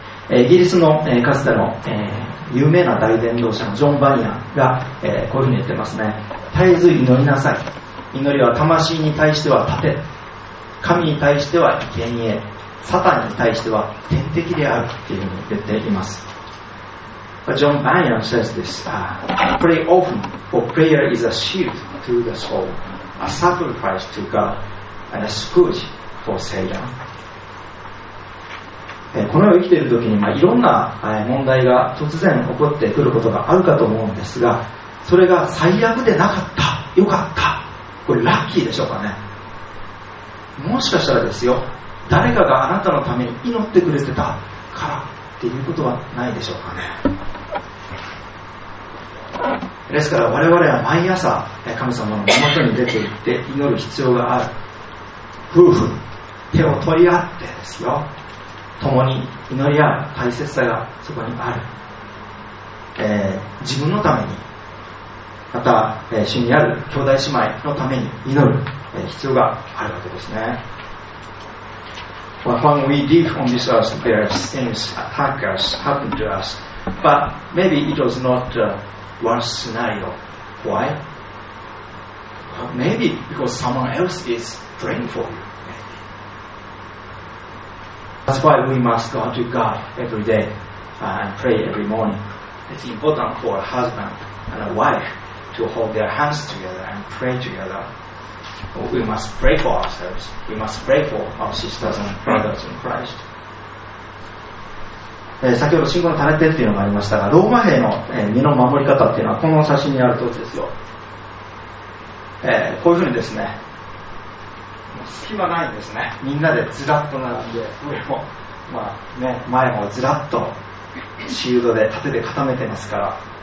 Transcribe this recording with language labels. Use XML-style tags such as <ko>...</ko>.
<ja>イギリスのかつての有名な大伝道者のジョン・バニアンがこういうふうに言ってますね。絶えず祈りなさい。祈りは魂に対しては盾、神に対しては生贄、サタンに対しては天敵であるというふうに言っています。</ja> <en>But John Bunyan says this pray often, for prayer is a shield to the soul, a sacrifice to God, and a scourge for Satan.</en> <ja>この世を生きている時に、いろんな問題が突然起こってくることがあるかと思うんですが、それが最悪でなかった、よかった、これラッキーでしょうかね。もしかしたらですよ、誰かがあなたのために祈ってくれてたからっていうことはないでしょうかね。ですから我々は毎朝神様の元に出て行って祈る必要がある。夫婦手を取り合ってですよ、共に祈り合う大切さがそこにある。自分のために、また主にある兄弟姉妹のために祈る必要があるわけですね。</ja> <en>When we live on this earth, there are things attack us, happen to us. But maybe it was not the worst scenario. Why? Well, maybe because someone else is praying for you. That's why we must go to God every day and pray every morning. It's important for a husband and a wife to hold their hands together and pray together. We must pray for ourselves. We must pray for our sisters and brothers in Christ.</en> <ja>先ほど信仰の盾っていうのがありましたが、ローマ兵の身の守り方っていうのはこの写真にあるとおりですよ。こういうふうにですね、もう隙間ないんですね。みんなでずらっと並んで、上も、前もずらっとシールドで盾で固めてますから、</ja>